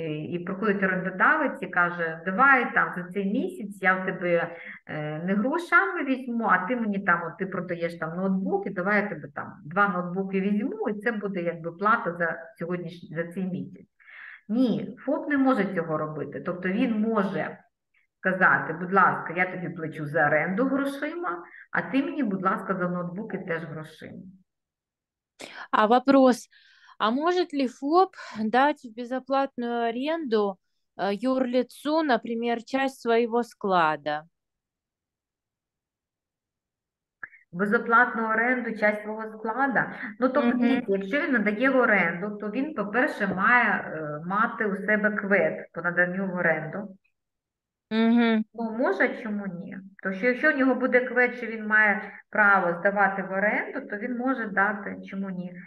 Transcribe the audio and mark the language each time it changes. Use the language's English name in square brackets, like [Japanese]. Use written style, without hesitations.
[Ukrainian] І приходить орендодавець і каже: давай там за цей місяць я в тебе не грошами візьму, а ти мені там, ти продаєш там ноутбук, і давай я тебе там два ноутбуки візьму, і це буде якби плата за сьогоднішній, за цей місяць. Ні, ФОП не може цього робити. Тобто він може сказати: будь ласка, я тобі плачу за оренду грошима, а ти мені, будь ласка, за ноутбуки теж грошима. [Russian] А вопрос, а может ли ФОП дать в безоплатную аренду юрлицу, например, часть своего склада? [Ukrainian] Безоплатну оренду часть свого складу? Ну, тобто, дивіться, якщо він надає в оренду, то він, по-перше, має мати у себе квит по наданню в оренду. Ну, може, чому ні? Тому що якщо в нього буде квит, що він має право здавати в оренду, то він може дати, чому ні?